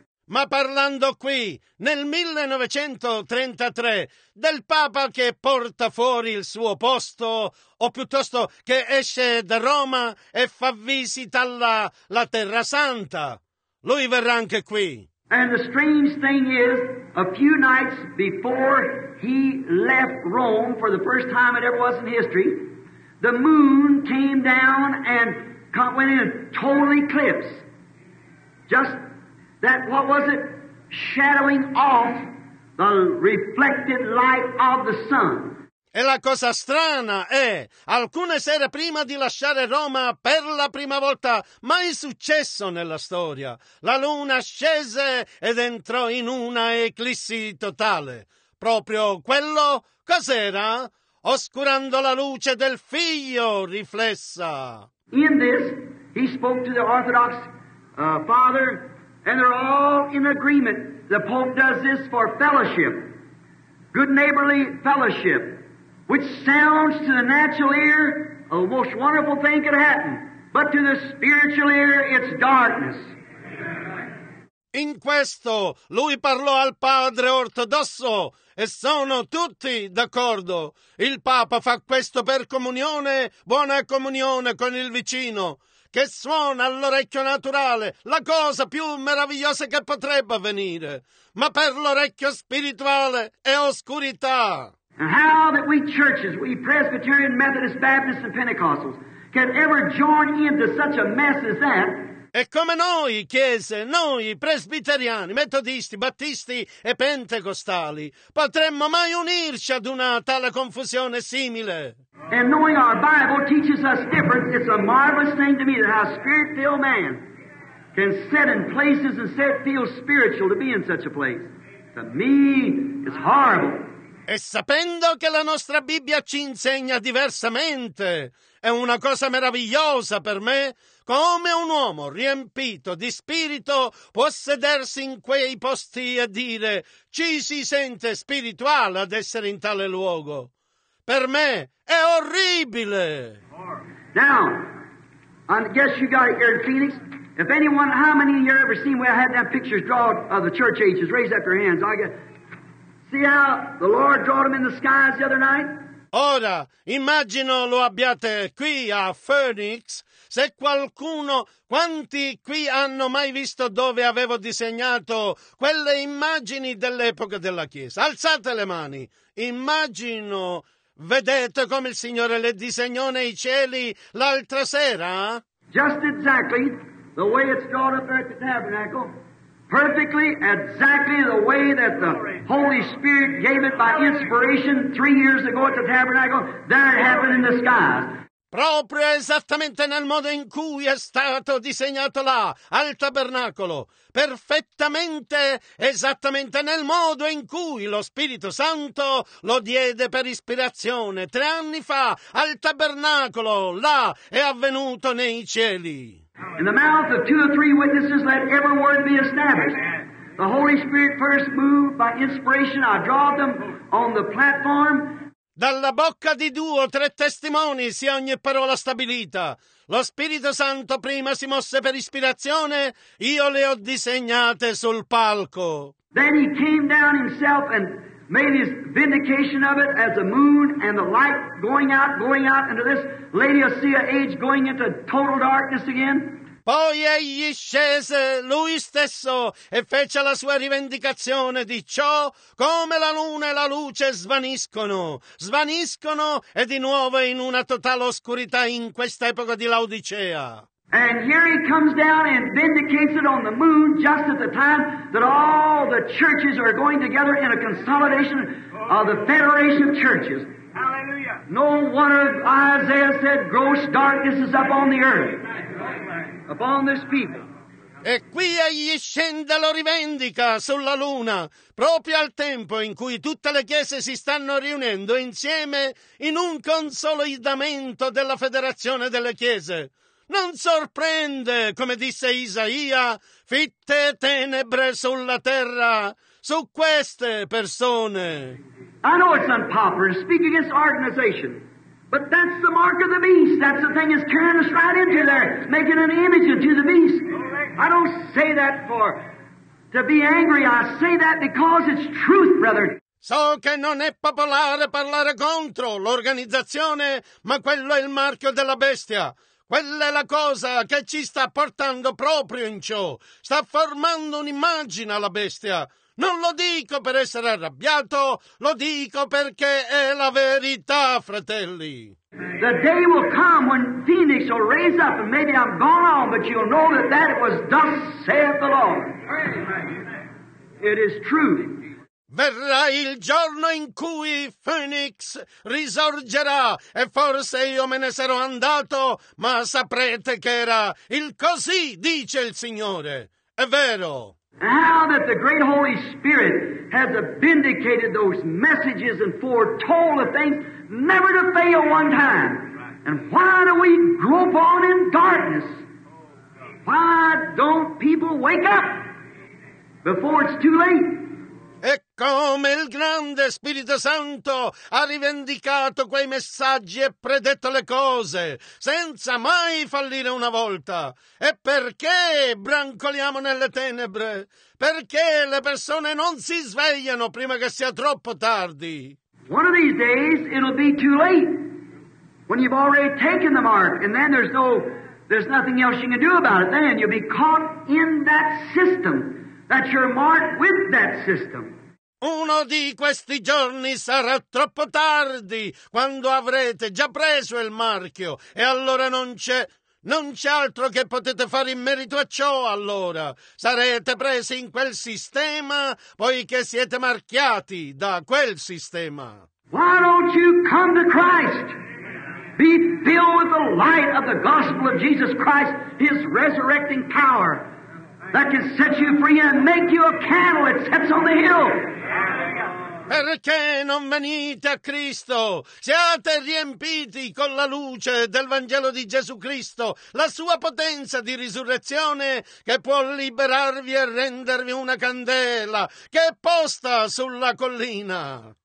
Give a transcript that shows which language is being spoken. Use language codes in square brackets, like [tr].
[it] Ma parlando qui, nel 1933, del Papa che porta fuori il suo posto, o piuttosto che esce da Roma e fa visita alla Terra Santa, lui verrà anche qui. [en] And the strange thing is, a few nights before he left Rome, for the first time it ever was in history, the moon came down and went in a total eclipse. Just that, what was it? Shadowing off the reflected light of the sun. [it] E la cosa strana è, alcune sere prima di lasciare Roma per la prima volta mai successo nella storia, la luna scese ed entrò in una eclissi totale. Proprio quello cos'era? Oscurando la luce del Figlio riflessa. [en] In this, he spoke to the Orthodox Father. And they're all in agreement. The Pope does this for fellowship, good neighborly fellowship, which sounds to the natural ear, a most wonderful thing could happen, but to the spiritual ear, it's darkness. [it] In questo, lui parlò al padre ortodosso, e sono tutti d'accordo. Il Papa fa questo per comunione, buona comunione con il vicino. Che suona all'orecchio naturale, la cosa più meravigliosa che potrebbe avvenire, ma per l'orecchio spirituale è oscurità. [en] And how that we churches, we Presbyterian, Methodist, Baptist, and Pentecostals, can ever join into such a mess as that? [it] E come noi, chiese, noi, presbiteriani, metodisti, battisti e pentecostali, potremmo mai unirci ad una tale confusione simile? [en] And knowing our Bible teaches us different, it's a marvelous thing to me that how a spirit-filled man can sit in places and feel spiritual to be in such a place. To me, it's horrible. [it] E sapendo che la nostra Bibbia ci insegna diversamente, è una cosa meravigliosa per me come un uomo riempito di spirito può sedersi in quei posti e dire ci si sente spirituale ad essere in tale luogo. Per me è orribile. [en] Now, I guess you got it here in Phoenix. If anyone, how many of you ever seen where I had that picture drawn of the church ages? Raise up your hands. I guess. See how the Lord drew them in the skies the other night? [it] Ora, immagino lo abbiate qui a Phoenix. Se qualcuno, quanti qui hanno mai visto dove avevo disegnato quelle immagini dell'epoca della Chiesa? Alzate le mani. Immagino, vedete come il Signore le disegnò nei cieli l'altra sera? [en] Just exactly the way it's drawn up there at the tabernacle. Perfectly, exactly the way that the Holy Spirit gave it by inspiration 3 years ago at the tabernacle, there it happened in the sky. [it] Proprio esattamente nel modo in cui è stato disegnato là, al tabernacolo. Perfettamente, esattamente nel modo in cui lo Spirito Santo lo diede per ispirazione 3 anni fa, al tabernacolo, là è avvenuto nei cieli. [en] In the mouth of 2 or 3 witnesses, let every word be established. The Holy Spirit first moved by inspiration. I draw them on the platform. [it] Dalla bocca di 2 o 3 testimoni sia ogni parola stabilita. Lo Spirito Santo prima si mosse per ispirazione, io le ho disegnate sul palco. [en] Then he came down himself and made his vindication of it as the moon and the light going out into this Laodicea age, going into total darkness again. [it] Poi egli scese lui stesso e fece la sua rivendicazione di ciò come la luna e la luce svaniscono e di nuovo in una totale oscurità in questa epoca di Laodicea. [en] And here he comes down and vindicates it on the moon just at the time that all the churches are going together in a consolidation of the federation of churches. Hallelujah. No wonder Isaiah said gross darkness is up on the earth. Upon this people. [it] E qui egli scende e lo rivendica sulla luna, proprio al tempo in cui tutte le chiese si stanno riunendo insieme in un consolidamento della federazione delle chiese. Non sorprende, come disse Isaia, fitte tenebre sulla terra, su queste persone. [en] I know it's unpopular to speak against organization. But that's the mark of the beast. That's the thing that's carrying us right into there, making an image unto the beast. I don't say that for to be angry. I say that because it's truth, brother. [it] So che non è popolare parlare contro l'organizzazione, ma quello è il marchio della bestia. Quella è la cosa che ci sta portando proprio in ciò. Sta formando un'immagine alla bestia. Non lo dico per essere arrabbiato, lo dico perché è la verità, fratelli. [en] The day will come when Phoenix will raise up, and maybe I'm gone on, but you'll know that that was thus saith the Lord. It is true. [it] Verrà il giorno in cui Phoenix risorgerà, e forse io me ne sarò andato, ma saprete che era il così, dice il Signore. È vero. [en] How that the great Holy Spirit has vindicated those messages and foretold the things never to fail one time. And why do we grope on in darkness? Why don't people wake up before it's too late? [it] E come il grande Spirito Santo ha rivendicato quei messaggi e predetto le cose, senza mai fallire una volta. E perché brancoliamo nelle tenebre? Perché le persone non si svegliano prima che sia troppo tardi? [en] One of these days it'll be too late, when you've already taken the mark, and then there's nothing else you can do about it. Then you'll be caught in that system. That's your mark with that system. [it] Uno di questi giorni sarà troppo tardi, quando avrete già preso il marchio, e allora non c'è altro che potete fare in merito a ciò, allora. Sarete presi in quel sistema, poiché siete marchiati da quel sistema. [en] Why don't you come to Christ? Be filled with the light of the gospel of Jesus Christ, His resurrecting power. That can set you free and make you a candle that sets on the hill. [it] Perché non venite a Cristo? Siate riempiti con la luce del Vangelo di Gesù Cristo, la sua potenza di risurrezione che può liberarvi e rendervi una candela che è posta sulla collina.